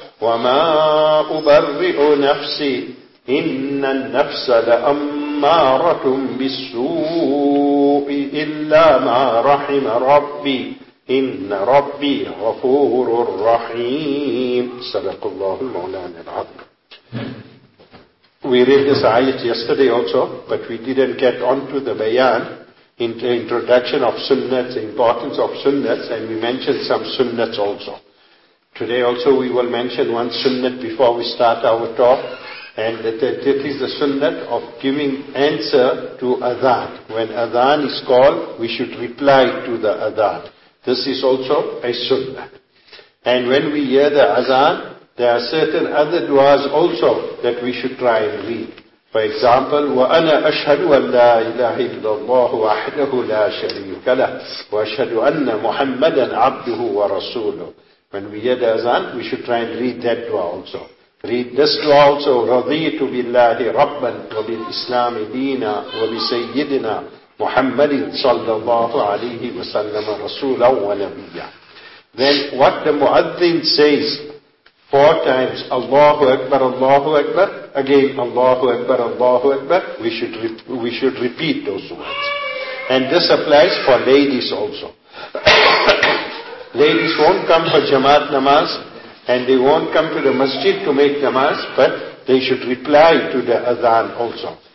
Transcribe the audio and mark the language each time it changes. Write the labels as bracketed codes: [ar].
[ar] وما أبرئ نفسي إن النفس لأمارة بالسوء إلا ما رحم ربي إن ربي غفور رحيم. صدق الله المولانا العظيم. [en] We read this ayat yesterday also, but we didn't get onto the bayan, into introduction of sunnats, the importance of sunnats, and we mentioned some sunnats also. Today also we will mention one sunnat before we start our talk, and that is the sunnat of giving answer to adhan. When adhan is called, we should reply to the adhan. This is also a sunnat. And when we hear the adhan, there are certain other du'as also that we should try and read. For example, [ar] وَأَنَا أَشْهَدُ أَنْ لَا إِلَهِ إِلَّا اللَّهُ وَحْدَهُ لَا شَرِيكَ لَهُ وَأَشْهَدُ أَنَّ مُحَمَّدًا عَبْدُهُ وَرَسُولُهُ. [en] When we hear the azan, we should try and read that du'a also. Read this du'a also, [ar] رَضِيتُ بِاللَّهِ رَبًّا وَبِالْإِسْلَامِ دِينًا وَبِسَيِّدِنَا مُحَمَّدٍ صَلَّى اللَّهُ عَلَيْهِ وَسَلَّمَ رَسُولًا وَنَبِيًّا. [en] Then what the muadzin says, four times, Allahu Akbar, Allahu Akbar, again, Allahu Akbar, Allahu Akbar, we should repeat those words. And this applies for ladies also. Ladies won't come for Jamaat Namaz, and they won't come to the masjid to make Namaz, but they should reply to the Adhan also.